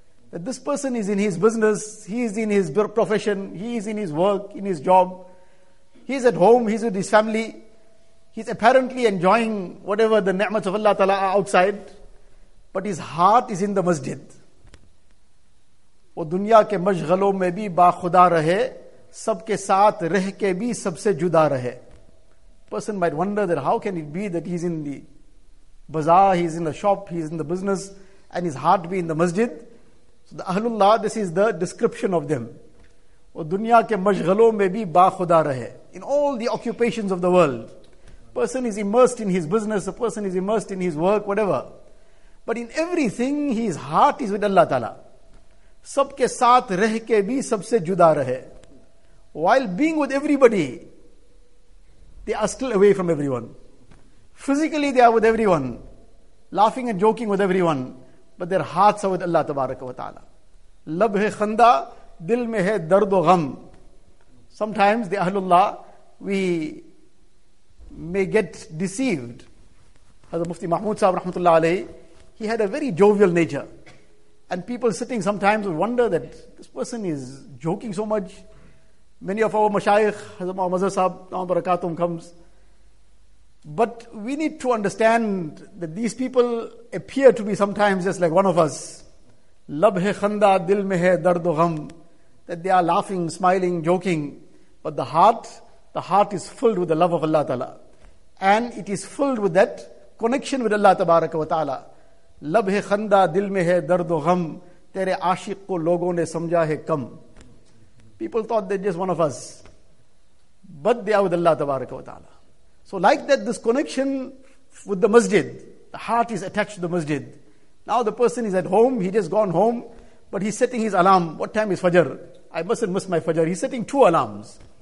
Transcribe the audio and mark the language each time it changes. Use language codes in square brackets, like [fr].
[en] that this person is in his business, he is in his profession, he is in his work, in his job, he is at home, he is with his family, he is apparently enjoying whatever the ni'mat of Allah Ta'ala are outside, but his heart is in the masjid. [ur] وہ دنیا کے مشغلوں میں بھی با خدا رہے سب کے ساتھ رہ کے بھی سب سے جدا رہے. [en] Person might wonder that how can it be that he's in the bazaar, he's in the shop, he's in the business, and his heart be in the masjid. So the Ahlullah, this is the description of them. [ur] وہ دنیا کے مشغلوں میں بھی با خدا رہے. [en] In all the occupations of the world, person is immersed in his business, a person is immersed in his work, whatever. But in everything, his heart is with Allah Ta'ala. [ur] سب کے ساتھ رہ کے بھی سب سے جدا رہے. [en] While being with everybody, they are still away from everyone. Physically, they are with everyone, laughing and joking with everyone, but their hearts are with Allah تبارک و تعالی. [ur] لب ہے خندہ, دل میں ہے درد و غم. [en] Sometimes, the Ahlullah, we may get deceived. Hazrat Mufti Mahmood Sahib, rahmatullah alayhi, he had a very jovial nature. And people sitting sometimes would wonder that this person is joking so much. Many of our mashayikh, Hazrat Mazhar Sahib, Naam Barakatum comes. But we need to understand that these people appear to be sometimes just like one of us. [ur] Lab hai khanda, dil mein hai dard o gham. [en] That they are laughing, smiling, joking. But the heart is filled with the love of Allah Ta'ala. And it is filled with that connection with Allah Tabaraka wa Ta'ala. [ur] لب ہے خندہ دل میں ہے درد و غم تیرے عاشق کو لوگوں نے سمجھا ہے کم. [en] People thought they're just one of us, but they are with Allah تبارک و تعالی. So like that, this connection with the masjid, the heart is attached to the masjid. Now the person is at home, he just gone home, but he's setting his alarm. What time is Fajr? I mustn't miss my Fajr. He's setting two alarms.